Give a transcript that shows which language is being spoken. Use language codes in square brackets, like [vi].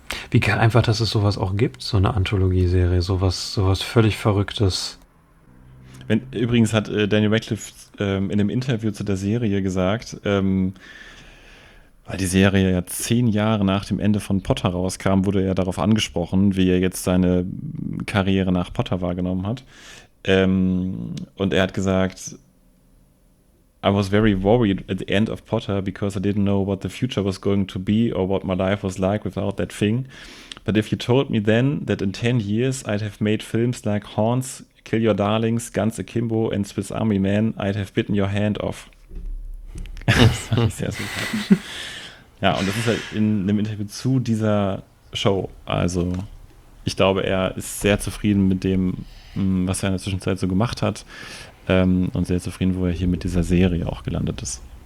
[de] Wie geil einfach, dass es sowas auch gibt, so eine Anthologieserie, sowas völlig Verrücktes. Übrigens hat Daniel Radcliffe in einem Interview zu der Serie gesagt, weil die Serie ja 10 Jahre nach dem Ende von Potter rauskam, wurde er darauf angesprochen, wie er jetzt seine Karriere nach Potter wahrgenommen hat. [en] Und er hat gesagt, I was very worried at the end of Potter because I didn't know what the future was going to be or what my life was like without that thing. But if you told me then that in 10 years I'd have made films like Horns, Kill Your Darlings, Guns Akimbo and Swiss Army Man, I'd have bitten your hand off. [de] Das fand ich sehr sympathisch. Ja, und das ist halt in einem Interview zu dieser Show. Also, ich glaube, er ist sehr zufrieden mit dem, was er in der Zwischenzeit so gemacht hat. Und sehr zufrieden, wo er hier mit dieser Serie auch gelandet ist.